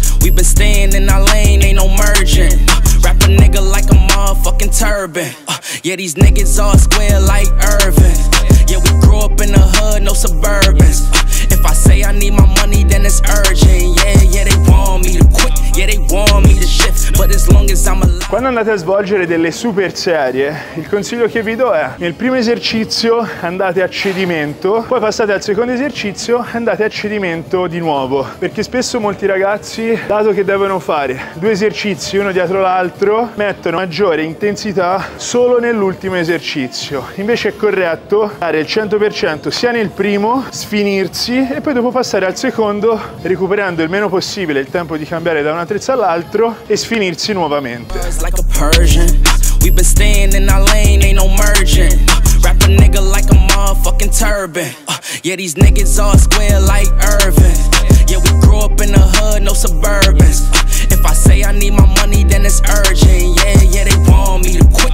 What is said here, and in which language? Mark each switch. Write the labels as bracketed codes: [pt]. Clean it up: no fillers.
[en] We been staying in our lane, ain't no merging. Rap a nigga like a motherfucking turban. Yeah, these niggas all square like Irvin. Yeah, we grew up in the hood, no suburbans. If I say I need my money, then it's urgent. Yeah, they want me to quit. Yeah, they want me to shift. But as long as I'm alive. [it] Quando andate a svolgere delle super serie, il consiglio che vi do è: nel primo esercizio andate a cedimento, poi passate al secondo esercizio e andate a cedimento di nuovo. Perché spesso molti ragazzi, dato che devono fare due esercizi uno dietro l'altro, mettono maggiore intensità solo nell'ultimo esercizio. Invece è corretto dare il 100% sia nel primo, sfinirsi, e poi dopo passare al secondo, recuperando il meno possibile il tempo di cambiare da un attrezzo all'altro, e sfinirsi nuovamente. [en] Like a Persian, we been staying in our lane, ain't no merging. Rap a nigga like a motherfucking turban. Yeah, these niggas all square like Irvin. Yeah, we grew up in the hood, no suburbans. If I say I need my money, then it's urgent. Yeah, they want me to.